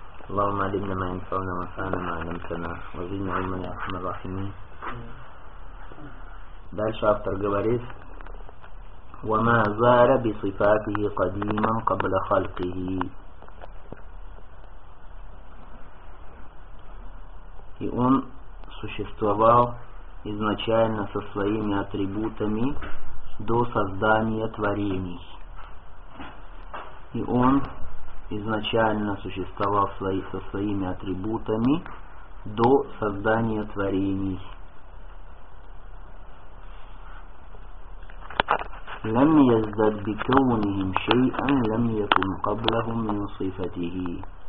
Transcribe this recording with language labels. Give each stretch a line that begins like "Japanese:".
Arabic: اللهم علمنا ما ينفعنا وانفعنا ما علمتنا وزدنا علما يا أرحم الراحمين.
Russian: Дальше автор говорит:
Arabic: وما زار بصفاته قديما قبل خلقه.
Russian: И он существовал изначально со своими атрибутами до создания творений. И он изначально существовал со своими атрибутами до создания творений.
Arabic: لم يزدد بكونهم شيئا لم يكن قبلهم من صفته.